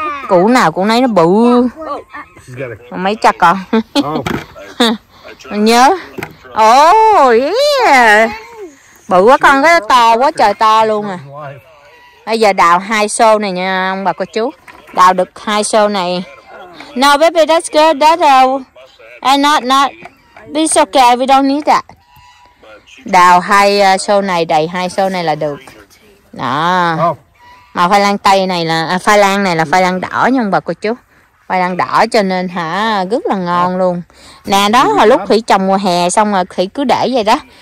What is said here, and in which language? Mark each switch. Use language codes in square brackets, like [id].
[vi] Củ nào cũng nấy nó bự. Mấy chắc con. Nhớ. Oh, yeah. Bự quá con, cái to quá trời to luôn à. Bây giờ đào hai xô này nha ông bà cô chú. Đào được hai xô này. [en] No baby, that's good, that's all. And not. It's okay, we don't need that. [vi] Đào hai xô này, đầy hai xô này là được. Đó. Mà khoai lang tây này là, khoai lang này là khoai lang đỏ nha ông bà cô chú. Khoai lang đỏ cho nên hả, rất là ngon luôn. Nè đó, hồi lúc Thủy trồng mùa hè xong rồi Thủy cứ để vậy đó.